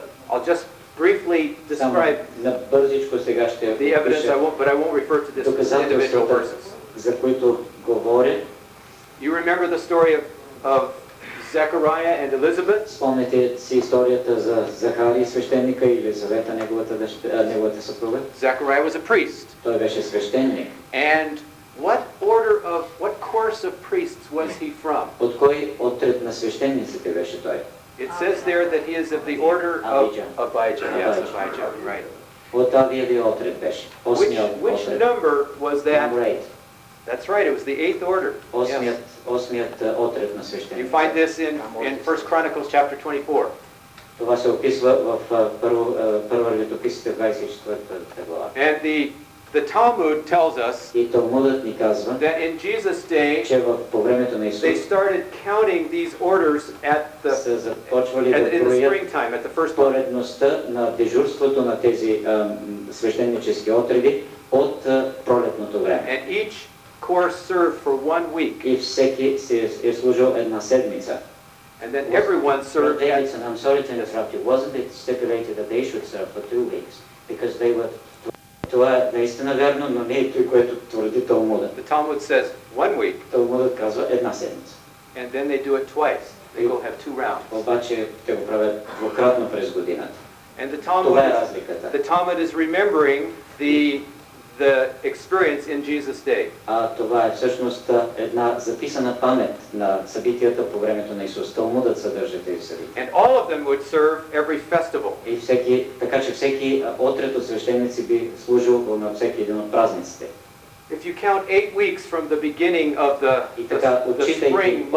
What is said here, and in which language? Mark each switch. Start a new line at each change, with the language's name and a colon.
English: I'll just briefly describe the evidence, I won't refer to this as individual verses. You remember the story of Zechariah and Elizabeth?
Bulgarian: Спомнете си историята за Захария свещеника и Елизавета, неговата съпруга.
English: Zechariah was a priest.
Bulgarian: Той беше свещеник.
English: And what course of priests was he from?
Bulgarian: От кой отред на свещениците беше той?
English: It says there that he is of the order of Abijah. Yes, Abijah, right.
Bulgarian: От Авиевия отред беше.
English: Which number was that? Number 8. That's right, it was the 8th order.
Bulgarian: Осмият отред на свещеника.
English: You find this in 1 Chronicles chapter 24.
Bulgarian: Това се описва в първо летописите 24-та глава.
English: And the Talmud tells us that in Jesus' day they started counting these orders at the springtime, at the first order.
Bulgarian: Поредността на дежурството на тези свещенически отреди от пролетното време.
English: And each course served for 1 week.
Bulgarian: И всеки си е служил една седмица.
English: And then everyone served. And I'm sorry to interrupt you. Wasn't it stipulated that they should serve for 2 weeks? Because they were.
Bulgarian: Това е наистина верно, но не е той, което твърди Талмуда.
English: The Talmud says 1 week.
Bulgarian: Талмудът казва една седмица.
English: And then they do it twice. They go have 2 rounds.
Bulgarian: Обаче те го правят двукратно през годината.
English: And the Talmud.
Bulgarian: Това е разликата.
English: The Talmud is remembering the experience in Jesus' day.
Bulgarian: А това е всъщност една записана памет на събитията по времето на Исус. Талмудът съдържа тези събития.
English: And all of them would serve every festival.
Bulgarian: И всеки, така че всеки отред от свещеници би служил на всеки един от празниците.
English: If you count 8 weeks from the beginning of the spring